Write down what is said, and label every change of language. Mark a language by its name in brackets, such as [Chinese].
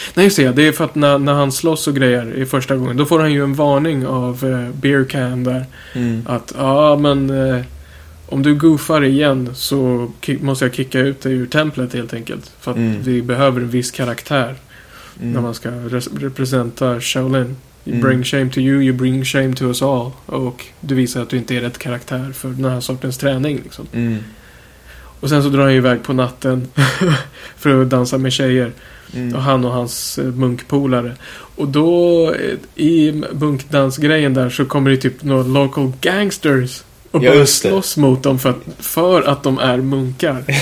[Swedish] Nej, just det, det är för att när han slåss och grejer i första gången, då får han ju en varning av Beer Can där. Mm. Att, ja, men om du goofar igen så måste jag kicka ut dig ur templet helt enkelt. För att vi behöver en viss karaktär när man ska representera Shaolin. [English] You bring shame to you, you bring shame to us all. [Swedish] Och du visar att du inte är rätt karaktär för den här sortens träning liksom. Mm. Och sen så drar han iväg på natten för att dansa med tjejer. Mm. Och han och hans munkpolare. Och då i munkdansgrejen där så kommer det typ några [English] local gangsters [Swedish] och börjar slåss mot dem för att de är munkar.